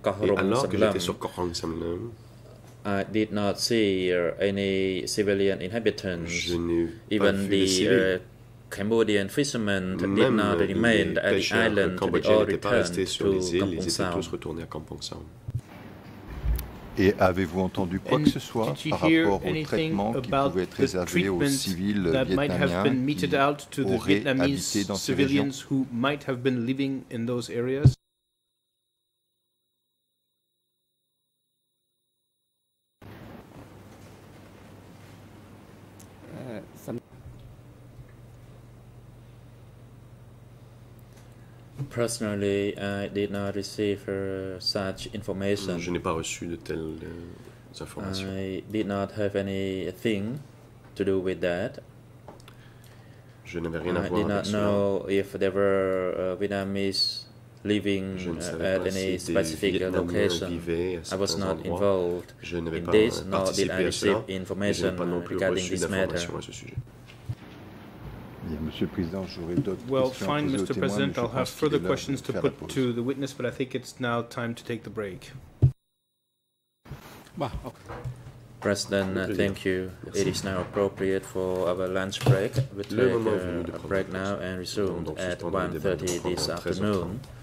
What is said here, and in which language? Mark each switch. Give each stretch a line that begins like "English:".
English: Korong Sanlam, I did not see any civilian inhabitants, even the Cambodian fishermen did not remain at the island, they all returned to Kampong Sao.
French: Et avez-vous entendu quoi que ce soit par rapport au traitement qui pouvait être réservé aux civils vietnamiens qui auraient habité dans ces régions?
English: Who might have been living in those areas? Personally, I did not receive such information.
French: Je n'ai pas reçu de telles informations.
English: I did not have anything to do with that.
French: Je n'avais rien à voir avec cela.
English: I did not know if there were Vietnamese living at any specific location. I was not involved in this, nor did I receive information regarding this matter.
French: Monsieur le Président, j'aurais d'autres questions à poser au témoin, mais je pense qu'il est l'heure de faire la pause.
English: Well, fine, Mr. President, I'll have further questions to put to the witness, but I think it's now time to take the break. President, thank you. Merci. It is now appropriate for our lunch break. We take a break now and resume at 1:30 this afternoon.